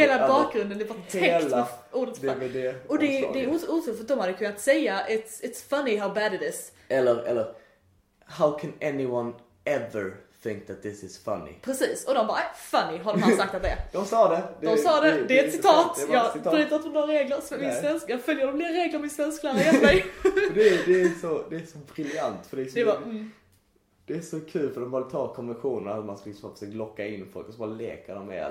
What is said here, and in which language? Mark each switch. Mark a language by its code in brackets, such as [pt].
[sv] Hela bakgrunden är bara täckt med ordet det. Och det är otroligt, för de hade kunnat säga [en] it's funny how bad it is. [sv] Eller [en] how can anyone ever think that this is funny. [sv] Precis, och de bara, funny, har de sagt att det är. De sa det. Det är ett citat. Jag bryter inte några regler för min svenska. Jag följer de nya regler min svensk lärare ger mig. det är så briljant. För det är så, det är så kul, för de bara tar konventionerna att man ska liksom försöka locka in folk och så bara leka dem med.